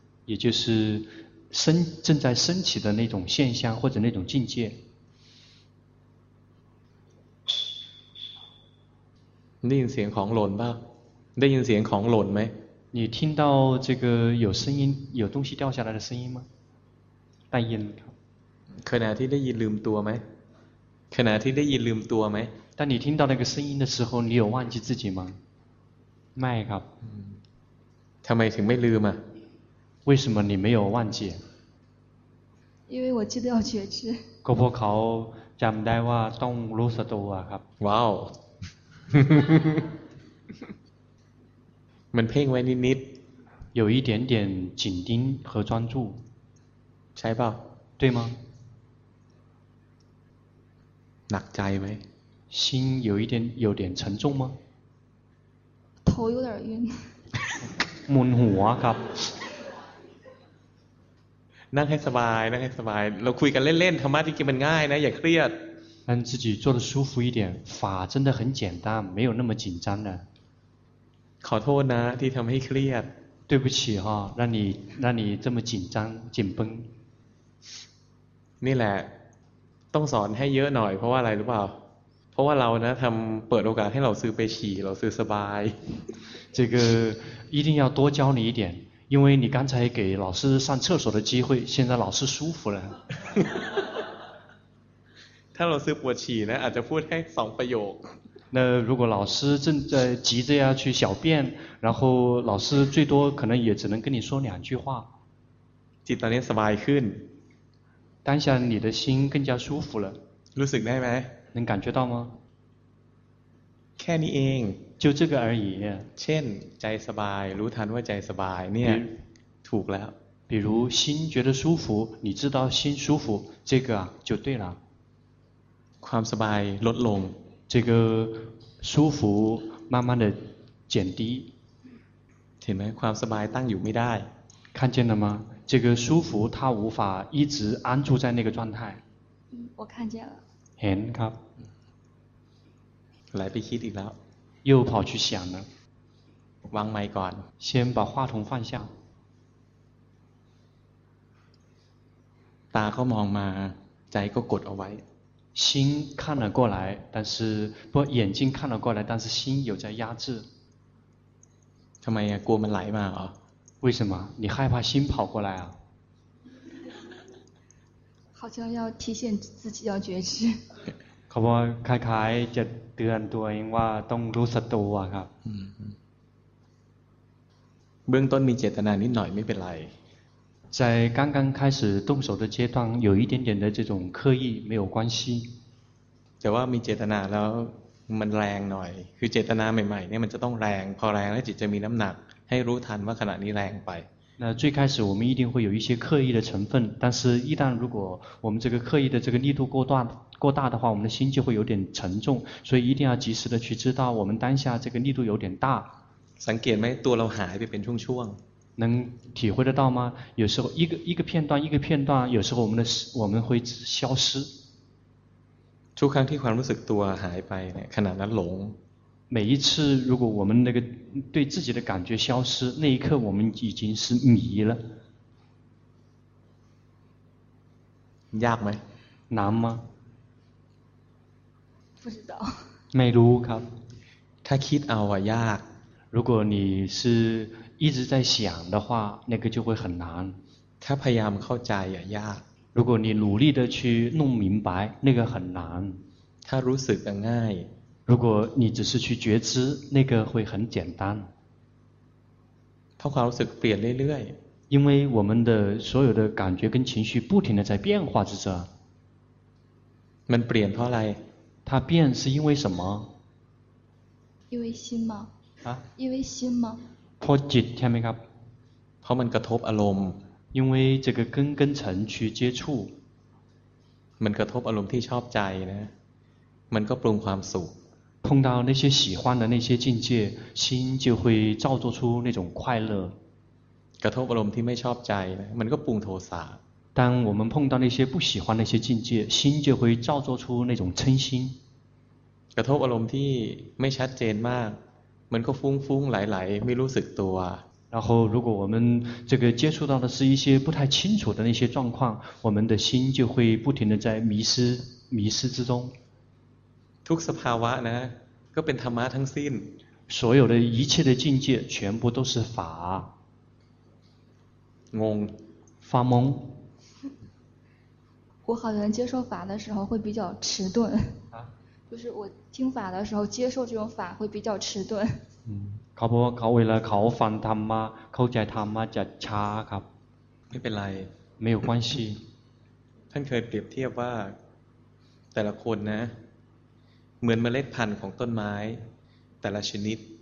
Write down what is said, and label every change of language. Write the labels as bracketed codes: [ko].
[zh] 也就是正在升起的那种现象或者那种境界 [th] ได้ยินเสียงของหล่นป่ะได้ยินเสียงของหล่นไหม [zh] 你听到这个有声音有东西掉下来的声音吗 [th] ได้ยินครับ ขณะที่ได้ยินลืมตัวไหมขณะที่ได้ยินลืมตัวไหม [zh] 当你听到那个声音的时候你有忘记自己吗 [th] ไม่ครับ ทำไมถึงไม่ลืมอ่ะ [zh] 为什么你没有忘记因为我记得要觉知 [th] ก็เพราะเขาจำได้ว่าต้องรู้สตัวครับ ว้าวมันเพ่งไว้นิด [zh] ๆ有一点点紧盯和专注 [th] ใช่ป่ะ [zh] 对吗 [th] หนักใจไหม [zh] 心有点沉重吗头有点晕 [th] มึนหัวครับ นั่งให้สบายนั่งให้สบายเราคุยกันเล่นๆธรรมะที่มันง่ายนะอย่าเครียด [zh] นั่ง自己坐得舒服一点法真的很简单没有那么紧张的 [th] ขอโทษนะที่ทำให้เครียด [zh] 对不起哈让你这么紧张紧绷 [th] นี่แหละต้องสอนให้เยอะหน่อยเพราะว่าอะไรรู้เปล่าเพราะว่าเรานะทำเปิดโอกาสให้เราซื้อไปฉี่เราซื้อสบาย [zh] 这个一定要多教你一点因为你刚才给老师上厕所的机会现在老师舒服了他老师不起呢他就不太爽不用那如果老师正在急着要去小便然后老师最多可能也只能跟你说两句话 [th] จิตตอนนี้สบายขึ้น [zh] 当下你的心更加舒服了 [th] รู้สึกได้ไหม [zh] 能感觉到吗 [th] แค่นี้เอง [zh] 就这个而已 [th] เช่นใจสบายรู้ทันว่าใจสบายเนี่ยถูกแล้ว [zh] 比如心觉得舒服你知道心舒服这个就对了 [th] ความสบายลดลง [zh] 这个舒服慢慢的减低。 [th] เห็นไหมความสบายตั้งอยู่ไม่ได้ [zh] 看见了吗这个舒服它无法一直安住在那个状态我看见了 [th] เห็นครับ 来ไปคิดอีกแล้ว [zh] 又跑去想了 [th] วางไมค์ก่อน [zh] 先把话筒放下 [th] ตาเขามองมาใจก็กดเอาไว้ [zh] 心看了过来但是不眼睛看了过来但是心有在压制 [th] ทำไมกลัวมันไหลมาเหร [zh] อ为什么你害怕心跑过来啊好像要提醒自己要觉知 [th] เขาบอกคล้ายๆจะเตือนตัวเองว่าต้องรู้สตูอะครับ เบื้องต้นมีเจตนานิดหน่อยไม่เป็นไร [zh] 在刚刚开始动手的阶段有一点点的这种刻意没有关系 [th] แต่ว่ามีเจตนาแล้วมันแรงหน่อยคือเจตนาใหม่ๆเนี่ยมันจะต้องแรงพอแรงแล้วจิตจะมีน้ำหนักให้รู้ทันว่าขณะนี้แรงไป [zh] 那最开始我们一定会有一些刻意的成分但是一旦如果我们这个刻意的这个力度过大的话我们的心就会有点沉重所以一定要及时的去知道我们当下这个力度有点大 [th] สังเกตไหมตัวเราหายไปเป็นช่วง [zh] ๆ能体会得到吗有时候一个片段一个片段有时候我们会消失 [th] ทุกครั้งที่ความรู้สึกตัวหายไปเนี่ยขณะนั้นหลง [zh] 每一次如果我们那个对自己的感觉消失那一刻我们已经是迷了 [th] ยากไหม [zh] 难吗不知道 [th] ไม่รู้ครับ ถ้าคิดเอาอะยาก [zh] 如果你是一直在想的话那个就会很难 [th] ถ้าพยายามเข้าใจอะยาก [zh] 如果你努力的去弄明白那个很难 [th] ถ้ารู้สึกง่าย [zh] 如果你只是去觉知那个会很简单 [th] เพราะความรู้สึกเปลี่ยนเรื่อย [zh] ๆ因为我们的所有的感觉跟情绪不停的在变化之中 [th] มันเปลี่ยนเพราะอะไร [zh] 它变是因为什么因为心吗啊因为心吗 [th] เพราะจิตใช่ไหมครับ เพราะมันกระทบอารมณ์ [zh] 因为这个根尘去接触 [th] มันกระทบอารมณ์ที่ชอบใจนะมันก็ปรุงความสุข [zh] 碰到那些喜欢的那些境界心就会造作出那种快乐 [th] กระทบอารมณ์ที่ไม่ชอบใจนะมันก็ปรุงโทสะ [zh] 当我们碰到那些不喜欢那些境界心就会造作出那种嗔心 [th] กระทบอารมณ์ที่ไม่ชัดเจนมากมันก็ฟุ้งฟุ้งไหลไหลไม่รู้สึกตัว [zh] 然后如果我们这个接触到的是一些不太清楚的那些状况我们的心就会不停的在迷失之中 [th] ทุกสภาวะนะก็เป็นธรรมะทั้งสิ้น [zh] 所有的一切的境界全部都是法 [th] งง [zh] 发懵我好像接受法的时候会比较迟钝就是我听法的时候接受这种法会比较迟钝 [th] เขาบอกว่าเขาเวลาเขาฟังธรรมะเข้าใจธรรมะจะช้าครับ ไม่เป็นไร [zh] ไม่有关系 [th] ท่านเคยเปรียบเทียบว่าแต่ละคนนะเหมือนเมล็ดพันธุ์ของต้นไม้แต่ละชนิด